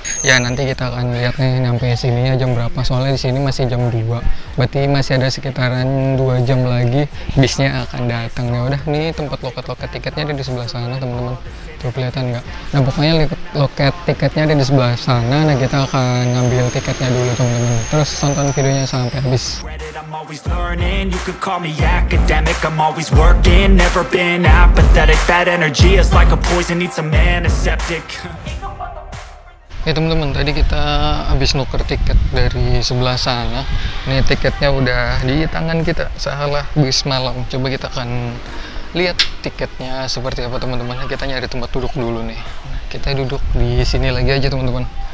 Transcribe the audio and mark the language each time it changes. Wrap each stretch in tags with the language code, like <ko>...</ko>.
<id>Ya, nanti kita akan lihat nih nyampe sininya jam berapa, soalnya di sini masih jam 2. Berarti masih ada sekitaran 2 jam lagi bisnya akan datang. Ya udah, nih tempat loket-loket tiketnya ada di sebelah sana, teman-teman. Tuh kelihatan nggak? Nah, pokoknya loket tiketnya ada di sebelah sana. Nah, kita akan ngambil tiketnya dulu, teman-teman. Terus tonton videonya sampai habis.</id> <en>I'm always learning, you could call me academic, I'm always working, never been apathetic, bad energy is like a poison, needs a man, a septic.</en> <id>Ya teman-teman, tadi kita habis nuker tiket dari sebelah sana. Ini tiketnya udah di tangan kita, Sahala bis malam. Coba kita akan lihat tiketnya seperti apa teman-teman. Kita nyari tempat duduk dulu nih. Kita duduk di sini lagi aja teman-teman.</id>